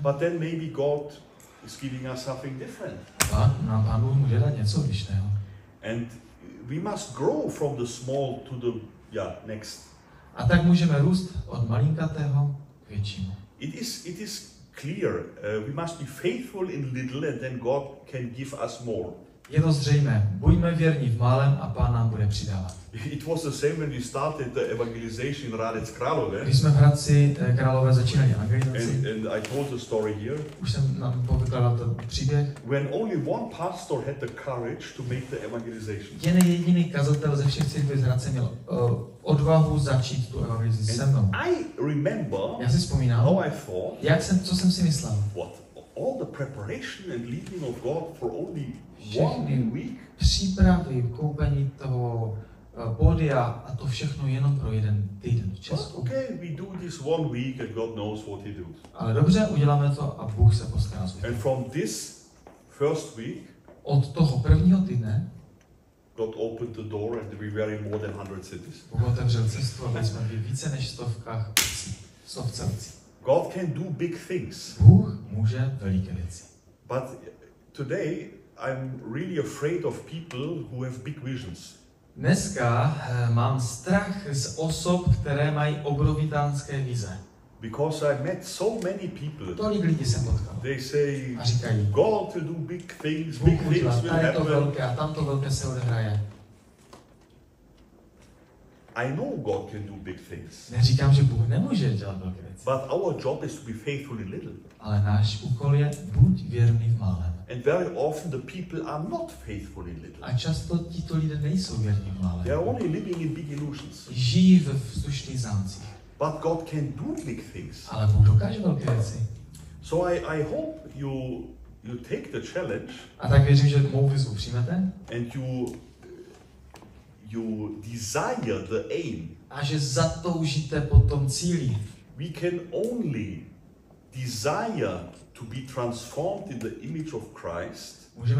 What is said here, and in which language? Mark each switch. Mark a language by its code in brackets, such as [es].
[en] But then maybe God is giving us something different. [cs] Pán Bůh může dát něco jiného. [en] And we must grow from the small to the next. [cs] A tak můžeme růst od malinkatého k většímu. [en] It is clear. We must be faithful in little and then God can give us more. [cs] Je to zřejmé. Buďme věrní v malém a Pán nám bude přidávat. [en] It was the same when we started the evangelization in Hradec Králové. [cs] Když jsme v Hradci Králové začínali evangelizaci. [en] And I told the story here. [cs] Už jsem nám povykládal ten příběh. [en] When only one pastor had the courage to make the evangelization. [cs] Jen jediný kazatel ze všech církví z Hradce měl odvahu začít tu evangelizaci se mnou. [en] I remember. [cs] Já si vzpomínám. [en] How I thought. [cs] Co jsem si myslel? [en] What? All the preparation and leading of God for only one week. [cs] Přípravy, koupení toho pódia a to všechno jenom pro jeden týden v Česku. [en] But okay, we do this one week and God knows what he does. [cs] Ale dobře, uděláme to a Bůh se postará. [en] And from this first week, [cs] od toho prvního týdne, [en] God opened the door and we were in more than 100 cities. [cs] Bůh otevřel cestu a jsme byli více než stovkách obcí. [en] God can do big things. [cs] Bůh může veliké věci. [en] But today I'm really afraid of people who have big visions. [cs] Dneska mám strach z osob, které mají obrovitánské vize. [en] Because I met so many people. [cs] Tolik lidí jsem potkal. [en] They say [cs] a říkají, [en] God to do big things, big [cs] udělá, [en] things will happen. [cs] To velké, a tamto velké se odehraje. [en] I know God can do big things. [cs] Neříkám, že Bůh nemůže dělat velké věci. [en] But our job is to be faithful in little. [cs] Ale náš úkol je buď věrný v malém. [en] And very often the people are not faithful in little. [cs] A často tito lidé nejsou věrní v malém. [en] They are only living in big illusions. [cs] Žijí ve vzdušných zámcích. [en] But God can do big things. [cs] Ale Bůh dokáže velké věci. [en] So I hope you take the challenge. [cs] A tak věřím, že mou výzvu přijmete. [en] And you desire the aim. [cs] A že zatoužíte po tom cíli. [en] We can only desire to be transformed in the image of Christ.